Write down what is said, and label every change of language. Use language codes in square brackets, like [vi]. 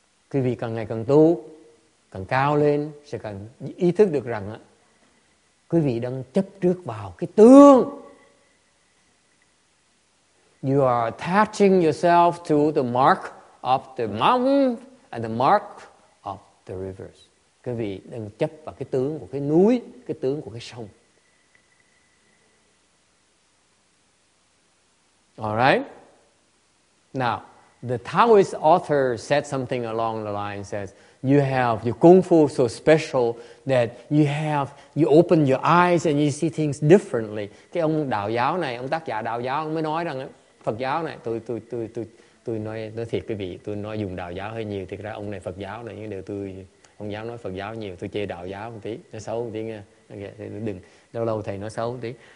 [vi] Khi vị càng ngày càng tu, càng cao lên, sẽ càng ý thức được rằng á, quý vị đang chấp trước vào cái tướng. [en] You are attaching yourself to the mark of the mountain and the mark of the rivers. [vi] Quý vị đang chấp vào cái tướng của cái núi, cái tướng của cái sông. [en] All right? Now, the Taoist author said something along the line, says, you have your kung fu so special that you have, you open your eyes and you see things differently. [vi] Cái ông đạo giáo này, ông tác giả đạo giáo, ông mới nói rằng, Phật giáo này, tôi nói thiệt quý vị, tôi nói dùng đạo giáo hơi nhiều, thiệt ra ông này Phật giáo này, nhưng điều tôi, ông giáo nói Phật giáo nhiều, tôi chê đạo giáo một tí, nó xấu một tí nghe. Đừng lâu lâu thầy nói xấu tí.